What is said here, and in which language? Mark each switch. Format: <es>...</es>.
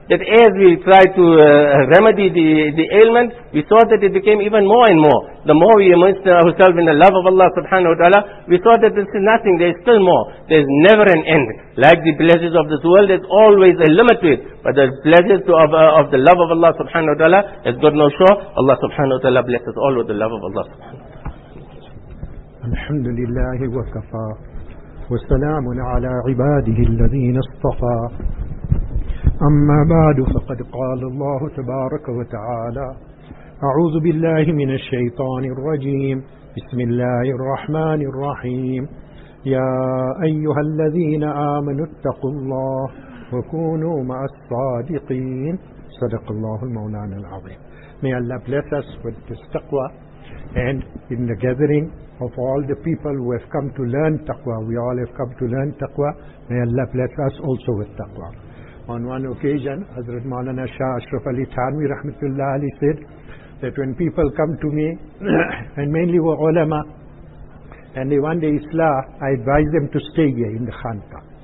<en>That as we try to remedy the ailment, we saw that it became even more and more. The more we immerse ourselves in the love of Allah subhanahu wa ta'ala, we saw that this is nothing. There is still more. There is never an end. Like the pleasures of this world, there's always a limit to it. But the pleasures of the love of Allah subhanahu wa ta'ala has got no shore. Allah subhanahu wa ta'ala bless us all with the love of Allah subhanahu wa ta'ala.</en> <ar>الحمد لله وكفى وسلام على عباده الذين اصطفى, أما بعد, فقد قال الله تبارك وتعالى, أعوذ بالله من الشيطان الرجيم, بسم الله الرحمن الرحيم, يا أيها الذين آمنوا اتقوا الله وكونوا مع الصادقين, صدق الله المولانا العظيم.</ar> <en>May Allah bless us with this taqwa and in the gathering of all the people who have come to learn taqwa. We all have come to learn taqwa. May Allah bless us also with taqwa. On one occasion, Hazrat Maulana Shah Ashraf Ali Thanvi Rahmatullah Ali said that when people come to me, and mainly were ulama, and they want the islah, I advise them to stay here in the khanqa.</en>